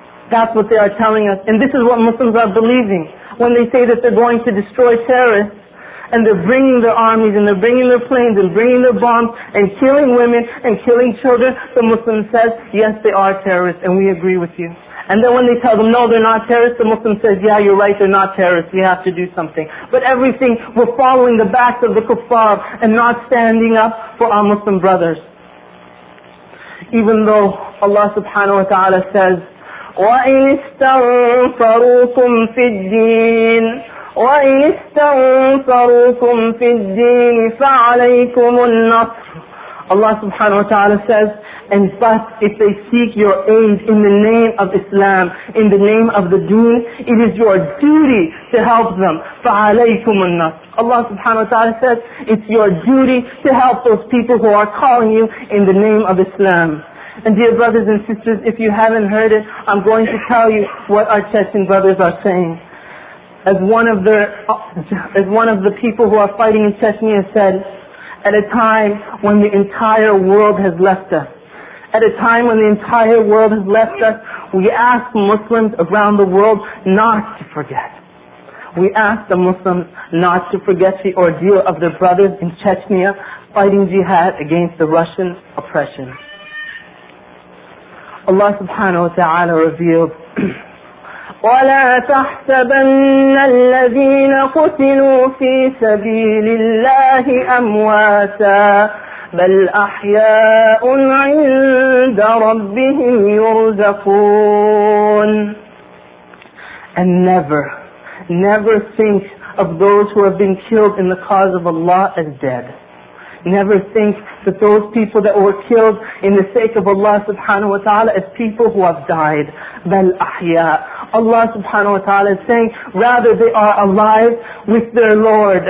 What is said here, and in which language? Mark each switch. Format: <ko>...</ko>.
<en>That's what they are telling us. And this is what Muslims are believing. When they say that they're going to destroy terrorists, and they're bringing their armies, and they're bringing their planes, and bringing their bombs, and killing women, and killing children, the Muslim says, yes, they are terrorists, and we agree with you. And then when they tell them, no, they're not terrorists, the Muslim says, yeah, you're right, they're not terrorists, we have to do something. But everything, we're following the backs of the kuffar, and not standing up for our Muslim brothers. Even though Allah subhanahu wa ta'ala says,</en> <ar>وَإِنِ اسْتَنْفَرُوكُمْ فِي الدِّينِ وَإِنِ اسْتَنْصَرُوكُمْ فِي الدِّينِ فَعَلَيْكُمُ النَّصْرُ.</ar> <en>Allah subhanahu wa ta'ala says, and but if they seek your aid in the name of Islam, in the name of the deen, it is your duty to help them.</en> <ar>فَعَلَيْكُمُ النَّصْرُ.</ar> <en>Allah subhanahu wa ta'ala says, it's your duty to help those people who are calling you in the name of Islam. And dear brothers and sisters, if you haven't heard it, I'm going to tell you what our Chechen brothers are saying. As one of the people who are fighting in Chechnya said, at a time when the entire world has left us, at a time when the entire world has left us, we ask Muslims around the world not to forget. We ask the Muslims not to forget the ordeal of their brothers in Chechnya fighting jihad against the Russian oppression. Allah subhanahu wa ta'ala revealed,</en> <ar>ولا تحسبن الذين قتلوا في سبيل الله أمواتا بل أحياء عند ربهم يرزقون.</ar> <en>And never think of those who have been killed in the cause of Allah as dead. Never think that those people that were killed in the sake of Allah subhanahu wa ta'ala as people who have died.</en> <ar>بَلْ أَحْيَاء.</ar> <en>Allah subhanahu wa ta'ala is saying, rather they are alive with their Lord.</en>